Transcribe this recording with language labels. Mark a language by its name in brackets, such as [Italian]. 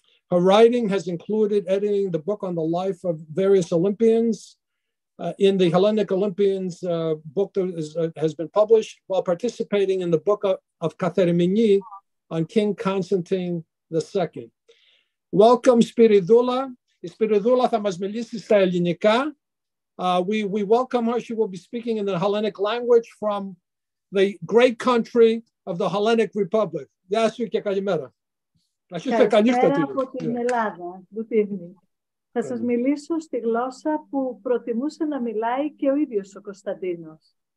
[English] Her writing has included editing the book on the life of various Olympians in the Hellenic Olympians book that has been published, while participating in the book of Katharimini on King Constantine II. Welcome, Spiridoula. [Greek] Spiridoula θα μας μιλήσει στα ελληνικά. [English] We welcome her. She will be speaking in the Hellenic language from the great country of the Hellenic Republic. [Greek] Γεια σου και καλημέρα. Καλησπέρα από την Ελλάδα. [English] Good evening. [Greek] Θα σας μιλήσω στη γλώσσα που προτιμούσε να μιλάει και ο ίδιος ο Κωνσταντίνος.